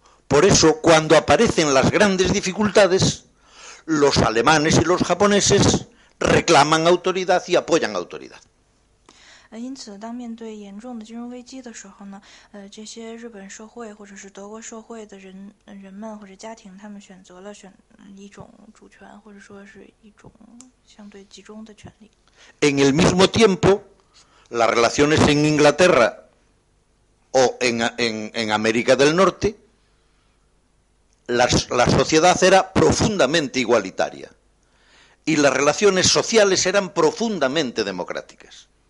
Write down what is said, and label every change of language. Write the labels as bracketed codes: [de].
[es] por eso cuando aparecen las grandes dificultades, los alemanes y los japoneses reclaman autoridad y apoyan autoridad. [zh] 因此，当面对严重的金融危机的时候呢，这些日本社会或者是德国社会的人们或者家庭，他们选择了一种主权，或者说是一种相对集中的权利。 [es] En el mismo tiempo, las relaciones en Inglaterra o en América del Norte, la sociedad era profundamente igualitaria y las relaciones sociales eran profundamente democráticas.